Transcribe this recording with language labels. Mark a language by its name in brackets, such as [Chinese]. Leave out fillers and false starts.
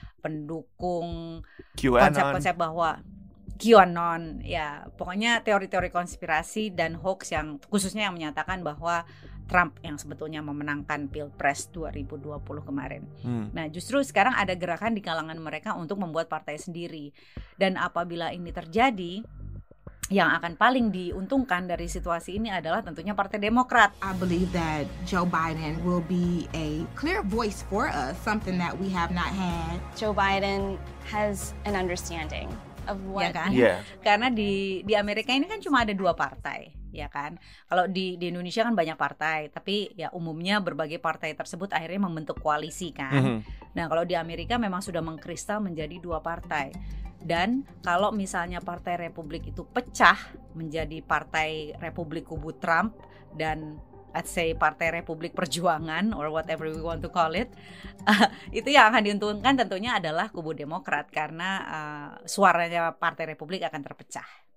[Indonesian] pendukung konsep-konsep bahwa QAnon, ya pokoknya teori-teori konspirasi dan hoax yang khususnya yang menyatakan bahwa Trump yang sebetulnya memenangkan Pilpres 2020 kemarin. Nah justru sekarang ada gerakan di kalangan mereka untuk membuat partai sendiri. Dan apabila ini terjadi, yang akan paling diuntungkan dari situasi ini adalah tentunya Partai Demokrat. [English] I believe that Joe Biden will be a clear voice for us, something that we have not had. Joe Biden has an understanding of what. [Indonesian] Ya kan? Yeah. Karena di Amerika ini kan cuma ada dua partai, ya kan? Kalau di Indonesia kan banyak partai, tapi ya umumnya berbagai partai tersebut akhirnya membentuk koalisi kan. Mm-hmm. Nah, kalau di Amerika memang sudah mengkristal menjadi dua partai. Dan kalau misalnya Partai Republik itu pecah menjadi Partai Republik kubu Trump dan [English] let's say [Indonesian] Partai Republik Perjuangan [English] or whatever we want to call it, [Indonesian] itu yang akan diuntungkan tentunya adalah kubu Demokrat karena suaranya Partai Republik akan terpecah.